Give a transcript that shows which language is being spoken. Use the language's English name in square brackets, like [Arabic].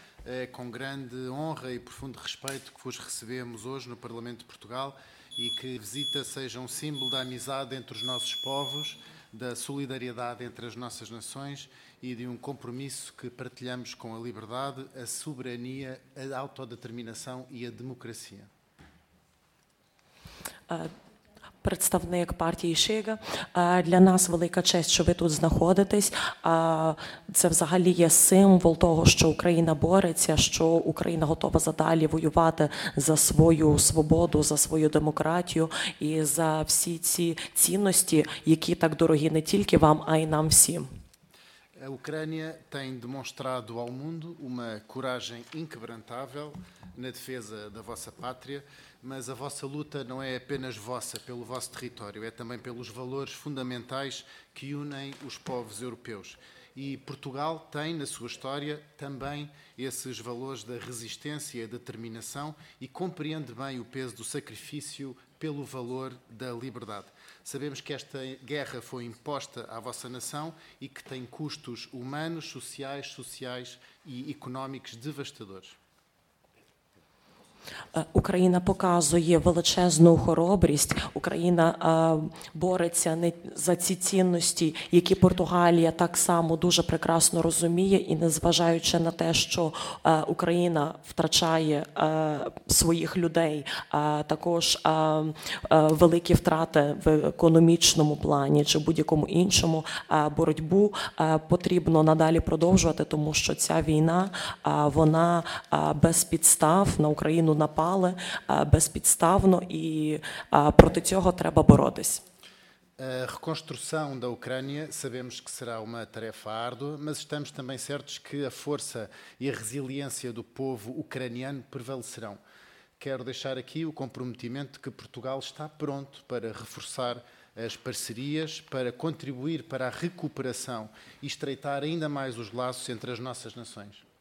[Portuguese] É com grande honra e profundo respeito que vos recebemos hoje no Parlamento de Portugal e que a visita seja um símbolo da amizade entre os nossos povos, da solidariedade entre as nossas nações e de um compromisso que partilhamos com a liberdade, a soberania, a autodeterminação e a democracia. [Ukrainian] Представник партії Шига, для нас велика честь, що ви тут знаходитесь. Це взагалі є символ того, що Україна бореться, що Україна готова задалі воювати за свою свободу, за свою демократію і за всі ці цінності, які так дорогі не тільки вам, а й нам всім. [Portuguese] A Ucrânia tem demonstrado ao mundo uma coragem inquebrantável na defesa da vossa pátria, mas a vossa luta não é apenas vossa pelo vosso território, é também pelos valores fundamentais que unem os povos europeus. E Portugal tem na sua história também esses valores da resistência e da determinação e compreende bem o peso do sacrifício pelo valor da liberdade. Sabemos que esta guerra foi imposta à vossa nação e que tem custos humanos, sociais e económicos devastadores. [Ukrainian] Україна показує величезну хоробрість. Україна бореться не за ці цінності, які Португалія так само дуже прекрасно розуміє, і незважаючи на те, що Україна втрачає своїх людей, також великі втрати в економічному плані чи будь-якому іншому, боротьбу потрібно надалі продовжувати, тому що ця війна, вона без підстав на Україну напали безпідставно і проти цього треба боротись. [Portuguese] A reconstrução da Ucrânia, sabemos que será uma tarefa árdua, mas estamos também certos que a força e a resiliência do povo ucraniano prevalecerão. Quero deixar aqui o comprometimento de que Portugal está pronto para reforçar as parcerias, para contribuir para a recuperação e estreitar ainda mais os laços entre as nossas nações.